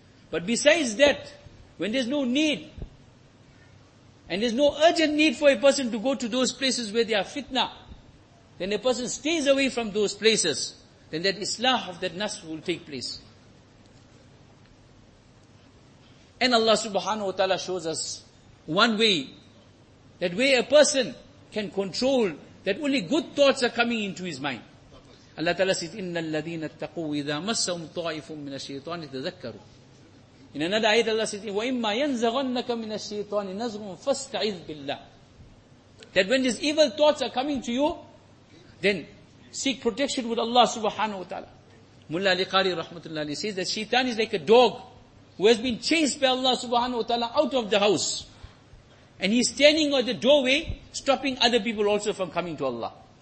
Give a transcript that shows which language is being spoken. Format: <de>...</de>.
<en>But besides that, when there's no need, and there's no urgent need for a person to go to those places where there are fitna, then a person stays away from those places, then that islah of that nafs will take place. And Allah subhanahu wa ta'ala shows us one way, that way a person can control that only good thoughts are coming into his mind. Allah Ta'ala says,</en> <ar>إِنَّ الَّذِينَ اتَّقُوا إِذَا مَسَّهُمْ طَائِفٌ مِّنَ الشَّيْطَانِ تَذَكَّرُوا.</ar> <en>In another ayat Allah says,</en> <ar>وَإِمَّا يَنْزَغَنَّكَ مِّنَ الشَّيْطَانِ نَزْغٌ فَاسْتَعِذْ بِاللَّهِ.</ar> <en>That when these evil thoughts are coming to you, then seek protection with Allah subhanahu wa ta'ala. Mullah Ali Qari rahmatullah Ali says that shaitan is like a dog who has been chased by Allah subhanahu wa ta'ala out of the house. And he's standing at the doorway, stopping other people also from coming to Allah.</en>